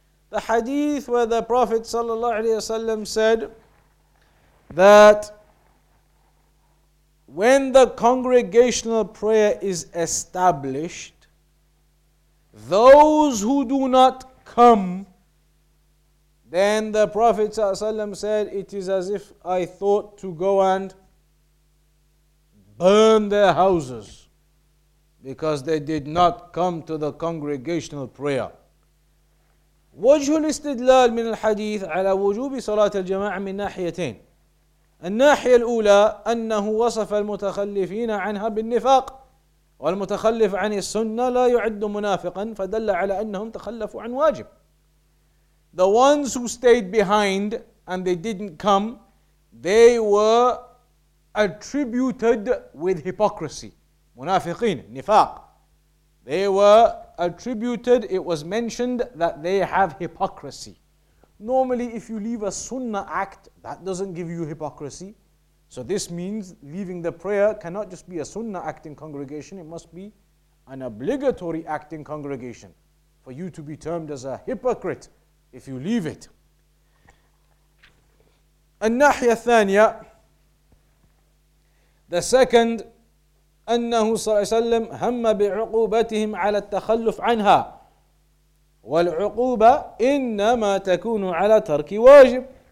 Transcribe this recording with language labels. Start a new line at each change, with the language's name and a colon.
English: The hadith where the Prophet ﷺ said that when the congregational prayer is established, those who do not come, then the Prophet ﷺ said, it is as if I thought to go and burn their houses because they did not come to the congregational prayer.
Arabic: وجه الاستدلال من الحديث على وجوب صلاة الجماعة من ناحيتين. الناحية الأولى أنه وصف المتخلفين عنها بالنفاق والمتخلف عن السنة لا يعد منافقا فدل على أنهم تخلفوا عن واجب.
English: The ones who stayed behind and they didn't come, they were attributed with hypocrisy. Munafiqeen, nifaq. They were attributed, it was mentioned that they have hypocrisy. Normally, if you leave a sunnah act, that doesn't give you hypocrisy. So this means leaving the prayer cannot just be a sunnah act in congregation, it must be an obligatory act in congregation for you to be termed as a hypocrite. If you leave it.
Arabic: الناحية الثانية,
English: the second,
Arabic: أنه صلى الله عليه وسلم هم بعقوبتهم على التخلف عنها والعقوبة إنما تكون على ترك واجب.